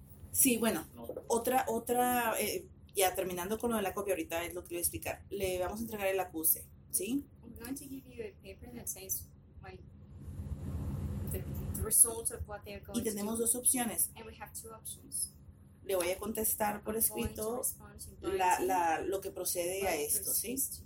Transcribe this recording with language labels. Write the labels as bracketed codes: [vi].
[es] Sí, bueno, otra ya terminando con lo de la copia, ahorita es lo que le voy a explicar. Le vamos a entregar el acuse, ¿sí? [en] I'm going to give you a paper that says the result of what they're going [es] y tenemos dos opciones. [en] And we have two options. [es] Le voy a contestar por escrito lo que procede a esto, ¿sí?